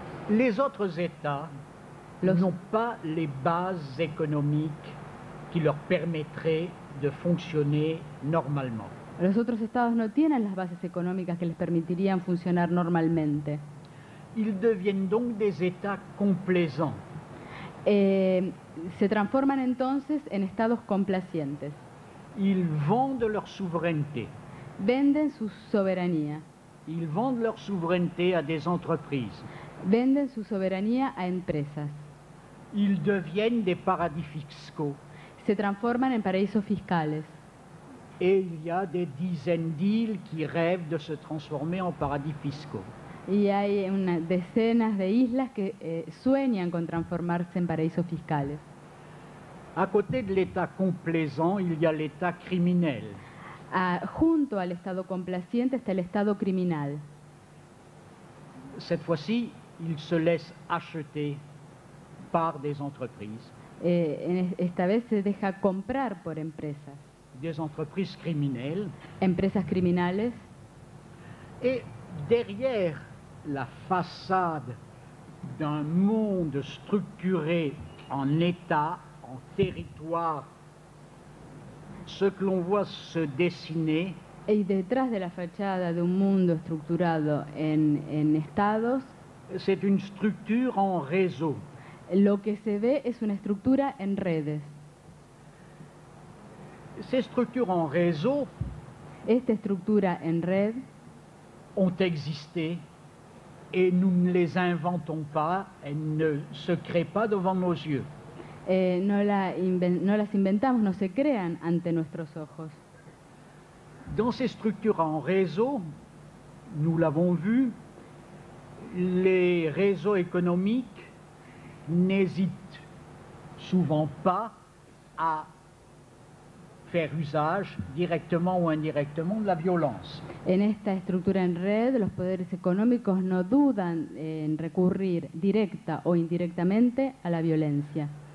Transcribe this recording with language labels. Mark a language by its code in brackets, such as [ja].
[fr] Les autres États n'ont pas les bases économiques qui leur permettraient de fonctionner normalement. [es] Los otros estados no tienen las bases económicas que les permitirían funcionar normalmente. [fr] Ils deviennent donc des états complaisants. [es] Se transforman entonces en estados complacientes. [fr] Ils vendent leur souveraineté. [es] Venden su soberanía. [fr] Ils vendent leur souveraineté à des entreprises. [es] Venden su soberanía a empresas. [fr] Ils deviennent des paradis fiscaux. [es] Se transforman en paraísos fiscales. [fr] et il y a des dizaines d'îles qui rêvent de se transformer en paradis fiscaux. [es] Y hay unas decenas de islas que sueñan con transformarse en paraísos fiscales. [fr] À côté de l'état complaisant, il y a l'état criminel. [es] Junto al estado complaciente está el estado criminal. [fr] Cette fois-ci, il se laisse acheter par des entreprises. [es] Esta vez se deja comprar por empresas. [fr] Des entreprises criminelles. [es] Empresas criminales. [fr] Et derrière la façade d'un monde structuré en état, en territoire, ce que l'on voit se dessiner. [es] Et detrás de la fachada de un mundo estructurado en estados, [fr] c'est une structure en réseau. [es] Lo que se ve es una estructura en redes. [fr] Ces structures en réseau, [es] esta estructura en red, [fr] ont existé et nous ne les inventons pas, elles ne se créent pas devant nos yeux. [es] No las inventamos, no se crean ante nuestros ojos. [fr] Dans ces structures en réseau, nous l'avons vu, les réseaux économiques n'hésitent souvent pas à faire usage directement ou indirectement de la violence. [es] En esta estructura en red, los poderes económicos no dudan en recurrir directa o indirectamente a la violencia.